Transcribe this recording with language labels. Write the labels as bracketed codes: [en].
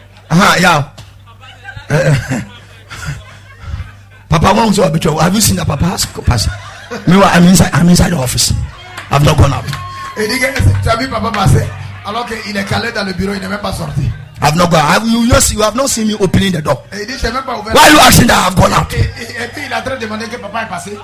[en] Ah, yeah. Papa, when was it? Have you seen that papa? Ask Pastor. Meanwhile, I'm inside the office. I've not gone out. [fr] Et dit que tu as vu papa passer alors qu'il est calé dans le bureau, il n'est même pas sorti. [en] I've not gone. You have not seen me opening the door. [fr] Et il dit, j'ai même pas ouvert. [en] Why are you asking that I've gone out? [fr] Et puis il est en train de demander que papa est passé.